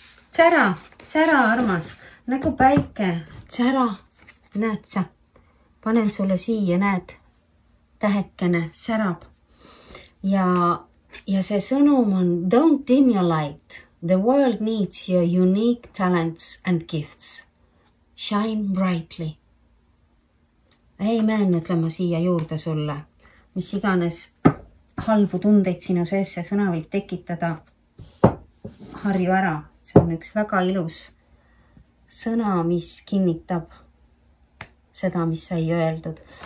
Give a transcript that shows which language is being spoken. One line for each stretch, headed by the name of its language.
Estonian: Tsära, armas, nagu päike. Tsära, näed sa, panen sulle siia, näed, tähekene särab. Ja see sõnum on,
English: don't dim your light. The world needs your unique talents and gifts. Shine brightly.
Estonian: Amen, ütlema siia juurde sulle. Mis iganes halbu tundeid sinu sees see sõna võib tekitada, harju ära. See on üks väga ilus sõna, mis kinnitab seda, mis sai öeldud.